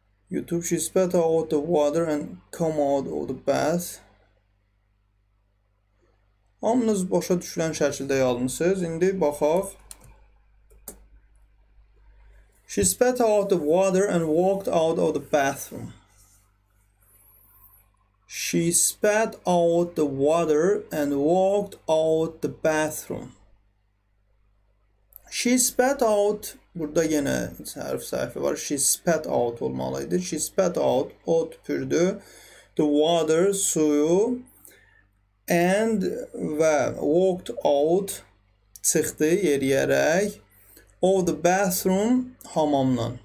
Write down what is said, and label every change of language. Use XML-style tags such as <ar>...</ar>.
<en>YouTube, she spat out the water and come out of the bath.</en> <az>Hamınız başa düşülən şəkildə yazmışsınız. İndi baxaq.</az> <en>She spat out the water and walked out of the bathroom. She spat out the water and walked out the bathroom. She spat out.</en> <az>Burada yenə hərf səhifi var.</az> <en>She spat out olmalıydı. She spat out.</en> <az>O tüpürdü.</az> <en>The water, suyu. And walked out.</en> <az>Çıxdı yeriyərək.</az> <en>Of the bathroom.</en>